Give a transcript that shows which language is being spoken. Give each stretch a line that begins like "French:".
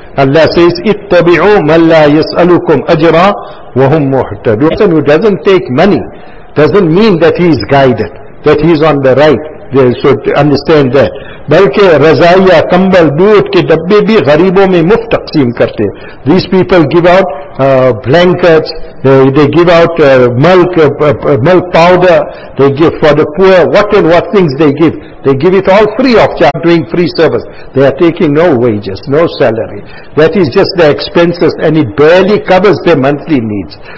English: Allah says,
Arabic: اتبعوا من لا يسألكم أجرا وهم محتدون.
English: A person who doesn't take money doesn't mean that he is guided, that he is on the right. So understand that.
Urdu: بلکہ رضائیہ کمبل دودھ کے ڈبے بھی غریبوں میں مفت تقسیم کرتے.
English: These people give out blankets, they give out milk powder, they give for the poor, what and what things they give. They give it all free of charge, doing free service. They are taking no wages, no salary. That is just their expenses and it barely covers their monthly needs.